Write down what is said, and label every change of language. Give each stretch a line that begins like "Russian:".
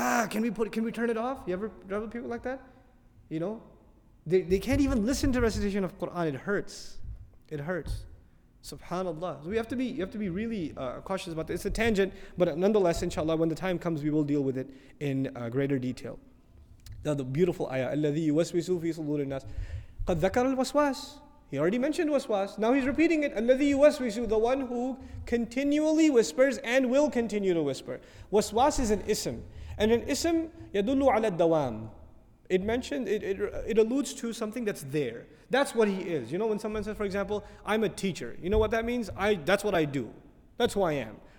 English: Can we turn it off? You ever drive with people like that? You know? They can't even listen to recitation of Quran. It hurts. It hurts. Subhanallah. So you have to be really cautious about this. It's a tangent, but nonetheless, inshallah, when the time comes, we will deal with it in greater detail. Now the beautiful ayah,
Arabic: الَّذِي يُوَسْوِسُ فِي صُدُورِ النَّاسِ قَدْ ذَكَرَ الْوَسْوَاسِ.
English: He already mentioned waswas. Now he's repeating it.
Arabic: Alladhi yuwaswisu,
English: the one who continually whispers and will continue to whisper. Waswas is an ism. And an ism,
Arabic: yadullu ala dawam.
English: It mentioned, it alludes to something that's there. That's what he is. You know, when someone says, for example, I'm a teacher. You know what that means? That's what I do. That's who I am.